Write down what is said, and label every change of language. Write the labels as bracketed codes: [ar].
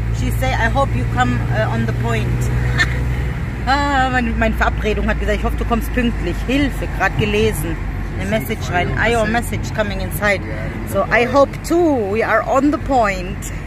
[en] She said, I hope you come on the point. [de] Ah, meine Verabredung hat gesagt, ich hoffe, du kommst pünktlich. Hilfe, gerade gelesen. Eine Message rein. [en] I have a message coming inside. So, I hope too, we are on the point.